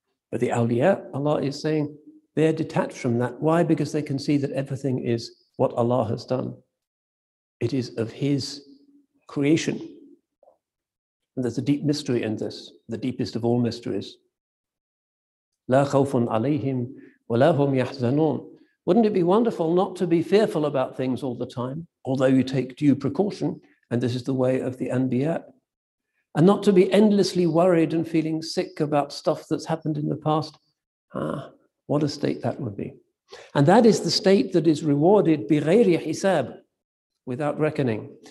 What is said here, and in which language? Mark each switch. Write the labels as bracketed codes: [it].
[en] But the awliya, Allah is saying, they're detached from that. Why? Because they can see that everything is what Allah has done. It is of His creation. And there's a deep mystery in this, the deepest of all mysteries. [ar] لا خوف عليهم ولا هم يحزنون. [en] Wouldn't it be wonderful not to be fearful about things all the time, although you take due precaution, and this is the way of the Anbiya, and not to be endlessly worried and feeling sick about stuff that's happened in the past? Ah, what a state that would be. And that is the state that is rewarded [ar] بِغَيْرِ حِسَاب, [en] without reckoning.